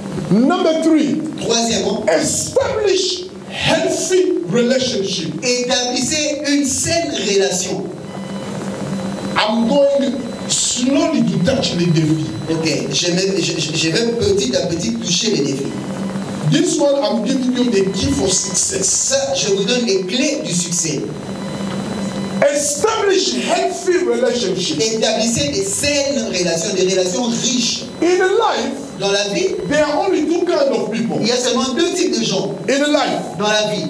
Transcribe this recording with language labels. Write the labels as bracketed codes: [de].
[en] Number three. [fr] Troisièmement. [en] Establish healthy relationship. [fr] Établissez une saine relation. [en] I'm going slowly to touch the devil. [fr] Okay, je vais petit à petit toucher les défis. [en] This one I'm giving you the key for success. [fr] Ça, je vous donne les clés du succès. [en] Establish healthy relationship. [fr] Établissez des saines relations, des relations riches. [en] In life. [fr] Dans la vie, [en] there are only two kinds of people. [fr] Il y a seulement deux types de gens. [en] In life, [fr] dans la vie,